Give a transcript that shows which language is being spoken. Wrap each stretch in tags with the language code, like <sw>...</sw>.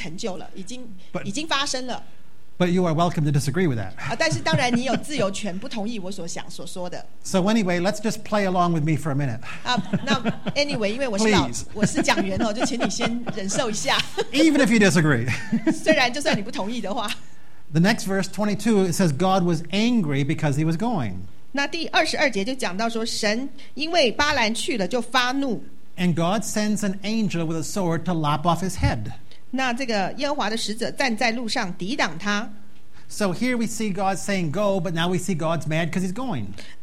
<zh>那我会认为这个这句话的上半段条件句是已经成就了，已经发生了。</zh> <en>But you are welcome to disagree with that.</en> <zh>但是当然你有自由权不同意我所想所说的。</zh> <en>So anyway, let's just play along with me for a minute.</en> <zh>那</zh> <en>anyway,</en> <zh>因为我是讲员哦,就请你先忍受一下。</zh> <en>Even if you disagree.</en> <zh>虽然就算你不同意的话。</zh> <en>The next verse, 22, it says God was angry because he was going.</en> <zh>那第22节就讲到说神因为巴兰去了就发怒。</zh> <en>And God sends an angel with a sword to lop off his head.</en> <zh>那这个耶和华的使者站在路上抵挡他。</zh> <en>So here we see God saying go, but now we see God's mad because he's going.</en>